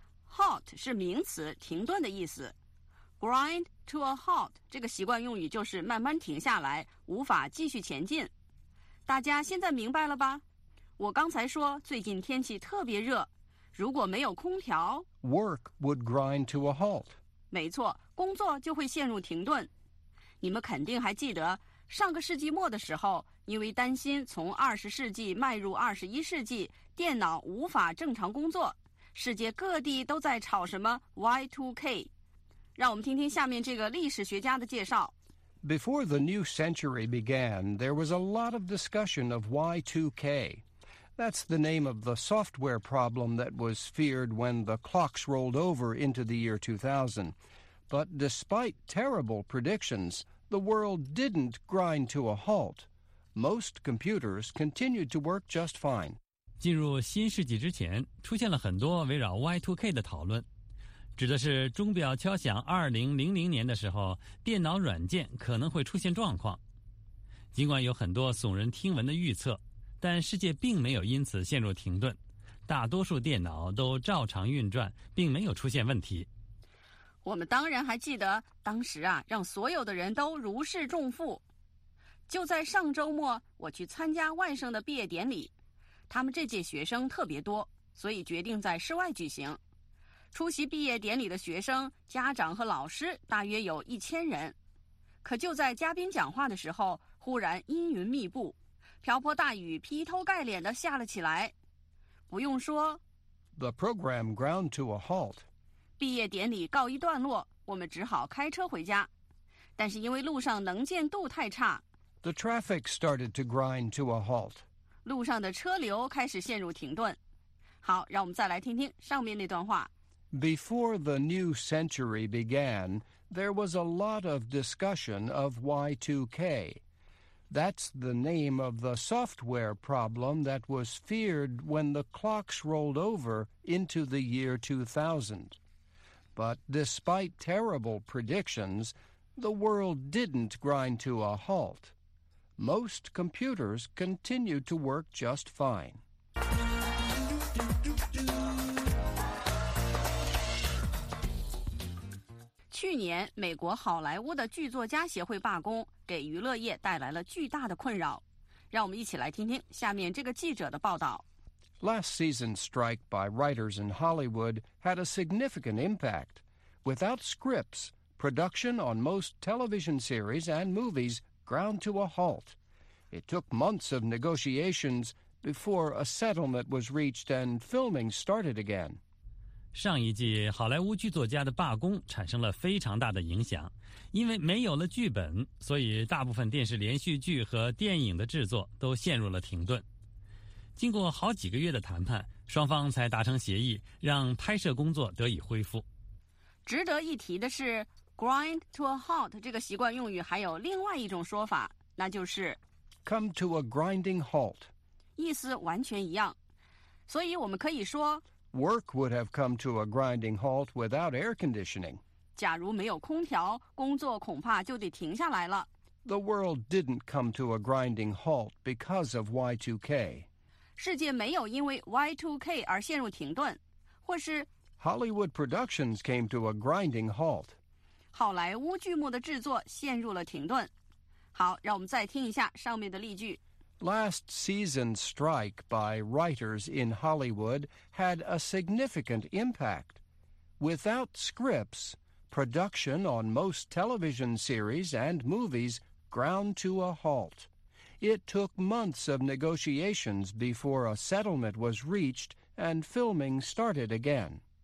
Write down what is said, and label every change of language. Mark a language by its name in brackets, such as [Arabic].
[Chinese] Halt 是名词，停顿的意思。 [English] Grind to a halt [Chinese] 这个习惯用语就是慢慢停下来，无法继续前进。大家现在明白了吧？我刚才说最近天气特别热，如果没有空调， [English] Work would grind to a halt. [Chinese] 没错，工作就会陷入停顿。你们肯定还记得，上个世纪末的时候，因为担心从20世纪迈入21世纪，电脑无法正常工作，世界各地都在吵什么 Y2K。让我们听听下面这个历史学家的介绍。 [English] Before the new century began, there was a lot of discussion of Y2K. That's the name of the software problem that was feared when the clocks rolled over into the year 2000. But despite terrible predictions, the world didn't grind to a halt. Most computers continued to work just fine. [Chinese] 进入新世纪之前，出现了很多围绕 Y2K 的讨论，指的是钟表敲响2000年的时候，电脑软件可能会出现状况。尽管有很多耸人听闻的预测，但世界并没有因此陷入停顿，大多数电脑都照常运转，并没有出现问题。我们当然还记得当时啊，让所有的人都如释重负。就在上周末，我去参加外甥的毕业典礼，他们这届学生特别多，所以决定在室外举行。出席毕业典礼的学生、家长和老师大约有1000人。可就在嘉宾讲话的时候，忽然阴云密布，瓢泼大雨劈头盖脸地下了起来。不用说， [English] The program ground to a halt. [Chinese] 毕业典礼告一段落，我们只好开车回家。但是因为路上能见度太差， [English] The traffic started to grind to a halt. [Chinese] 路上的车流开始陷入停顿。好，让我们再来听听上面那段话。 [English] Before the new century began, There was a lot of discussion of Y2K. That's the name of the software problem that was feared when the clocks rolled over into the year 2000. But despite terrible predictions, the world didn't grind to a halt. Most computers continued to work just fine. [Chinese] 去年，美国好莱坞的剧作家协会罢工，给娱乐业带来了巨大的困扰。让我们一起来听听下面这个记者的报道。 [English] Last season's strike by writers in Hollywood had a significant impact. Without scripts, production on most television series and movies ground to a halt. It took months of negotiations before a settlement was reached and filming started again. [Chinese] 上一季好莱坞剧作家的罢工产生了非常大的影响，因为没有了剧本，所以大部分电视连续剧和电影的制作都陷入了停顿。经过好几个月的谈判，双方才达成协议，让拍摄工作得以恢复。值得一提的是 [English] grind to a halt [Chinese] 这个习惯用语还有另外一种说法，那就是 [English] come to a grinding halt， [Chinese] 意思完全一样，所以我们可以说 [English] Work would have come to a grinding halt without air conditioning. [Chinese] 假如没有空调，工作恐怕就得停下来了。 [English] The world didn't come to a grinding halt because of Y2K. [Chinese] 世界没有因为 Y2K 而陷入停顿，或是 [English] Hollywood productions came to a grinding halt. [Chinese] 好莱坞剧目的制作陷入了停顿。好，让我们再听一下上面的例句。 [English] Last season's strike by writers in Hollywood had a significant impact. Without scripts, production on most television series and movies ground to a halt. It took months of negotiations before a settlement was reached and filming started again.